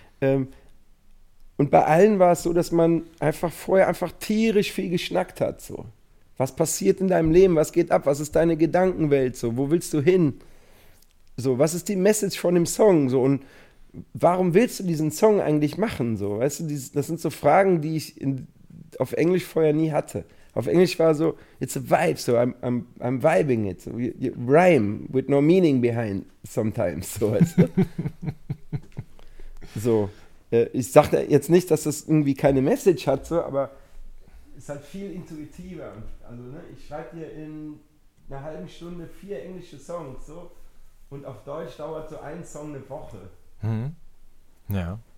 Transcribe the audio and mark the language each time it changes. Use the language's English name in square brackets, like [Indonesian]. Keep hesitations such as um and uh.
[German] Ähm, und bei allen war es so, dass man einfach vorher einfach tierisch viel geschnackt hat. So. Was passiert in deinem Leben? Was geht ab? Was ist deine Gedankenwelt? So, wo willst du hin? So, was ist die Message von dem Song? So, und warum willst du diesen Song eigentlich machen? So, weißt du, dies- das sind so Fragen, die ich in, auf Englisch vorher nie hatte. Auf Englisch war so, [English] it's a vibe, so I'm, I'm, I'm vibing it. So, you, you rhyme with no meaning behind sometimes. [German] So, weißt du? so. Äh, Ich sage jetzt nicht, dass das irgendwie keine Message hat, so, aber ist halt viel intuitiver. Also, ne, ich schreibe dir in einer halben Stunde vier englische Songs, so, und auf Deutsch dauert so ein Song eine Woche. mhm. Ja.